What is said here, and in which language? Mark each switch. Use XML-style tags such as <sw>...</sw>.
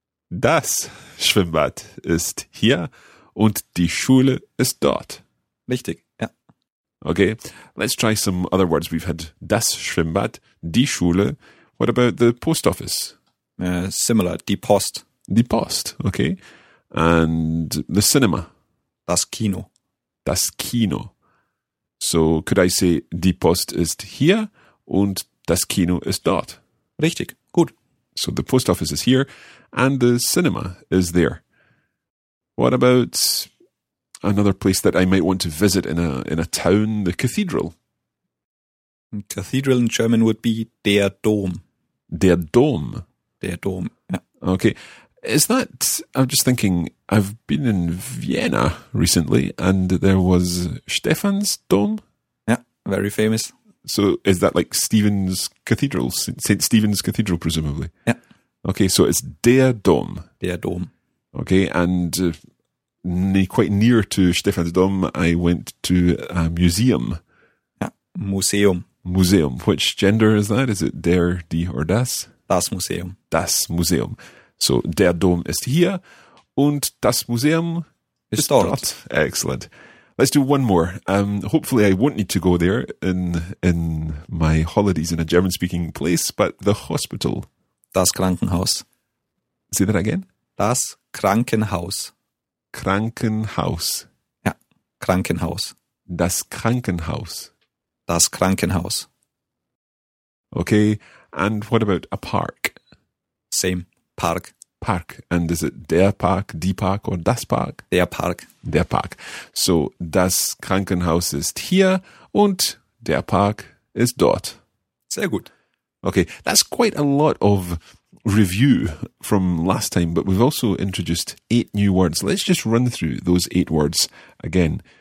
<de>Das Schwimmbad ist hier und die Schule ist dort. Richtig, ja.</de> <en>Okay, let's try some other words. We've had das Schwimmbad, die Schule. What about the post office?</en> <de>Similar, die Post.</de> <en>Die Post, okay. And the cinema?</en> <de>Das Kino. Das Kino.</de> <en>So could I say</en> <de>die Post ist hier und das Kino ist dort? Richtig, gut.</de> <en>So the post office is here and the cinema is there. What about another place that I might want to visit in a town, the cathedral? Cathedral in German would be der Dom.</en> <de>Der Dom. Der Dom, ja.</de> <en>Okay. Is that, I'm just thinking, I've been in Vienna recently and there was Stefan's Dome. Yeah, very famous. So is that like Stephen's Cathedral, St. Stephen's Cathedral, presumably? Yeah. Okay, so it's Der Dom.</en> <de>Der Dom.</de> <en>Okay, and quite near to Stefan's Dom, I went to a museum. Yeah, Museum. Museum. Which gender is that? Is it der, die, or das?</en> <de>Das Museum. Das Museum. So Der Dom ist hier und das Museum ist dort.</de> <en>Excellent. Let's do one more. Hopefully I won't need to go there in my holidays in a German-speaking place, but the hospital.</en> <de>Das Krankenhaus.</de> <en>Say that again.</en> <de>Das Krankenhaus. Krankenhaus. Ja, Krankenhaus. Das Krankenhaus. Das Krankenhaus.</de> <en>Okay, and what about a park? Same, park. Park, and is it der Park, die Park, or das Park?</en> <de>Der Park. Der Park. So, das Krankenhaus ist hier und der Park ist dort. Sehr gut.</de> <en>Okay, that's quite a lot of review from last time, but we've also introduced 8 new words. Let's just run through those 8 words again.</en>